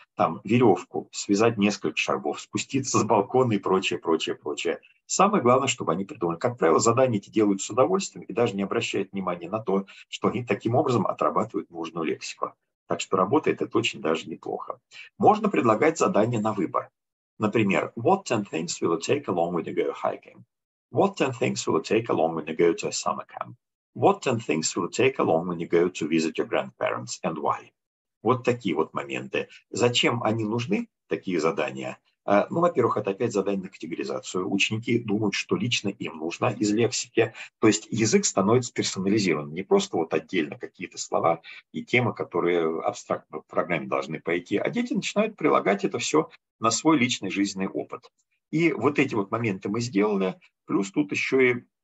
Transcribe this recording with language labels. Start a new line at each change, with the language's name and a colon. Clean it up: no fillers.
Russian: Там веревку, связать несколько шарфов, спуститься с балкона и прочее, прочее, прочее. Самое главное, чтобы они придумали. Как правило, задания эти делают с удовольствием и даже не обращают внимания на то, что они таким образом отрабатывают нужную лексику. Так что работает это очень даже неплохо. Можно предлагать задания на выбор. Например,
English: what 10 things will you take along when you go hiking? What 10 things will you take along when you go to a summer camp? What 10 things will you take along when you go to visit your grandparents and why?
Russian: Вот такие вот моменты. Зачем они нужны, такие задания? Ну, во-первых, это опять задание на категоризацию. Ученики думают, что лично им нужно из лексики. То есть язык становится персонализирован. Не просто вот отдельно какие-то слова и темы, которые абстрактно в программе должны пойти, а дети начинают прилагать это все на свой личный жизненный опыт. И вот эти вот моменты мы сделали. Плюс тут еще и